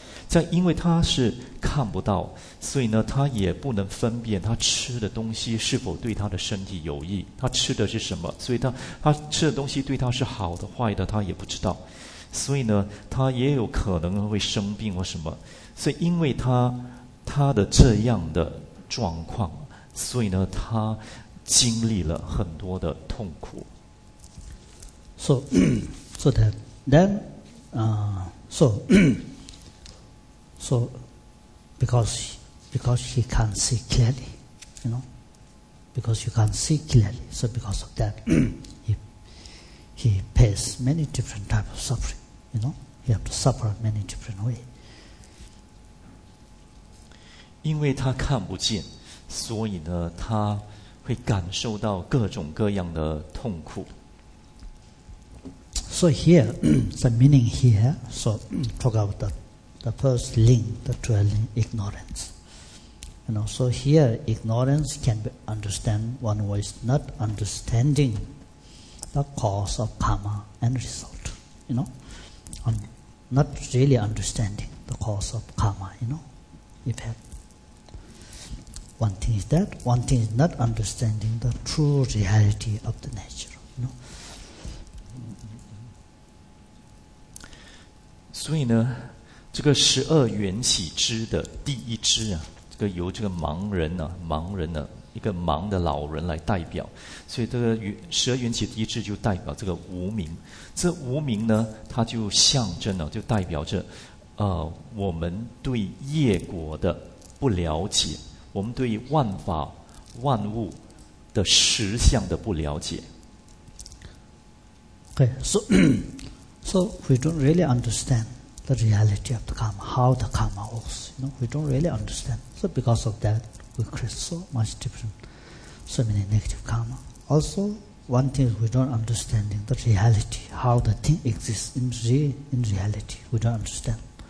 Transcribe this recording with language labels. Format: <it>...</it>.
<zh>这样，因为他是看不到，所以呢，他也不能分辨他吃的东西是否对他的身体有益，他吃的是什么，所以他吃的东西对他是好的坏的，他也不知道。所以呢他也有可能会生病或什么，所以因为他的这样的状况，所以呢他经历了很多的痛苦。</zh> <en>So that Then, so because he can't see clearly, you know, because you can't see clearly, so because of that, he pays many different types of suffering, you know, he has to suffer many different ways.</en> <zh>因为他看不见，所以呢，他会感受到各种各样的痛苦。</zh> <en>So here, the meaning here, so talk about the first link, the dwelling ignorance. You know, so here, ignorance can be understand one who is not understanding the cause of karma and result. You know, and not really understanding the cause of karma. You know, effect. One thing is not understanding the true reality of the nature. You know?</en> <zh>所以呢，这个十二缘起枝的第一枝啊，这个由这个盲人呢、啊，盲人呢、啊，一个盲的老人来代表。所以这个十二缘起第一枝就代表这个无明。这无明呢，它就象征了、啊，就代表着，我们对业果的不了解。我们对万法万物的实相的不了解。</zh> <en>Okay, so we don't really understand the reality of the karma, how the karma works. You know, we don't really understand. So because of that, we create so much different, so many negative karma. Also, one thing is we don't understanding the reality, how the thing exists in reality. We don't understand.</en>